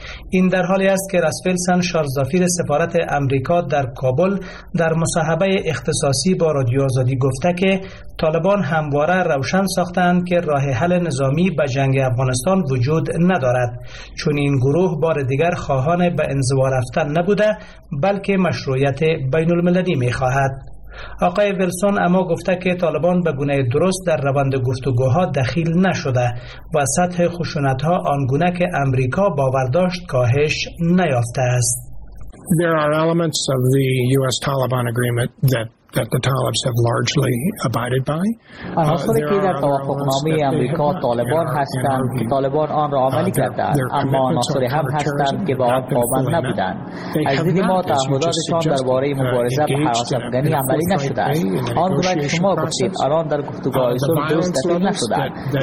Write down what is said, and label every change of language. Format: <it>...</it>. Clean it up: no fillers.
<fa>این در حالی است که راس ویلسن، شارژافیر سفارت آمریکا در کابل، در مصاحبه اختصاصی با رادیو آزادی گفته که طالبان همواره روشن ساختند که راه حل نظامی به جنگ افغانستان وجود ندارد، چون این گروه بار دیگر خواهان به انزوا رفتن نبوده بلکه مشروعیت بین المللی می خواهد. آقای ویلسون اما گفته که طالبان به گونه درست در روند گفتگوها دخیل نشده و سطح خشونتها آنگونه که امریکا باور داشت کاهش نیافته است.</fa> <en>There are elements of the US Taliban agreement that the Talibs have largely abided by.</en> <fa>آنهایی که در توافقنامه آمریکا طالبان هستند، طالبان آن را عملی کردند، اما آنهایی هم هستند که با آن پابند نبودند. از دید ما تعهداتشان درباره مبارزه با حراس افغانی عملی نشده است. آن را شما گفتید، الان در گفتگوهای صلح درست دخیل نشده است.</fa>